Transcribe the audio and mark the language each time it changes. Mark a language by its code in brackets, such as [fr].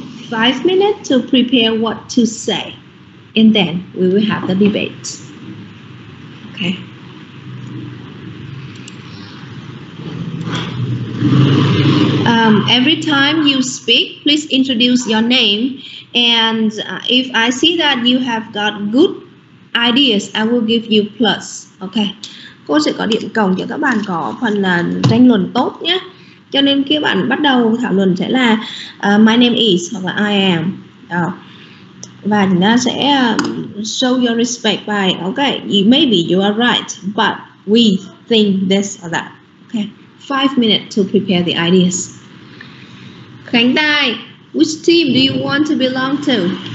[en] 5 minutes to prepare what to say. And then we will have the debate. Okay. Every time you speak, please introduce your name. And if I see that you have got good ideas, I will give you plus. Okay. [vi] Cô sẽ có điểm cộng cho các bạn có phần là tranh luận tốt nhé. Cho nên khi bạn bắt đầu thảo luận sẽ là [en] my name is [vi] hoặc là [en] I am. [vi] Đó. Và chúng ta sẽ [en] show your respect by okay, you, maybe you are right, but we think this or that. Okay. 5 minutes to prepare the ideas. Khánh Tài, which team do you want to belong to?